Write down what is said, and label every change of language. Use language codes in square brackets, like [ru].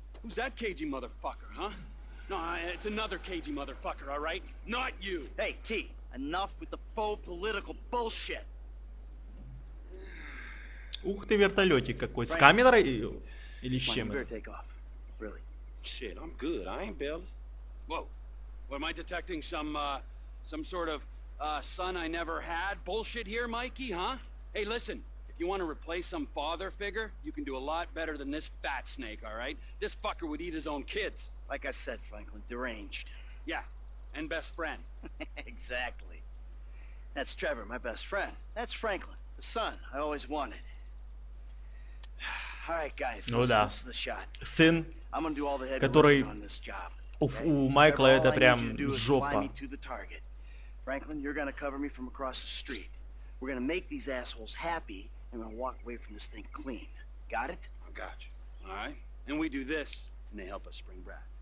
[ru] Кто это, кейджи мотерфакер, а? Нет, это еще кейджи мотерфакер, хорошо? Не ты! [en] Эй, Ти, enough with the faux political bullshit! [ru] Ух ты, вертолетик какой, с камерой или с чем это? [en] Really? Shit, I'm good. I ain't built. Whoa. What am I detecting some sort of son I never had bullshit here, Mikey, huh? Hey, listen. If you want to replace some father figure, you can do a lot better than this fat snake, all right? This fucker would eat his own kids. Like I said, Franklin, deranged. Yeah. And best friend. Exactly. That's Trevor, my best friend. That's Franklin, the son I always wanted. [ru] Ну да, сын, который у Майкла это прям жопа. [en] Franklin, you're gonna cover me from across the street. We're gonna make these assholes happy, and we're gonna walk away from this thing clean. Got it? I got you. All right. And we do this, and they help us bring Brad.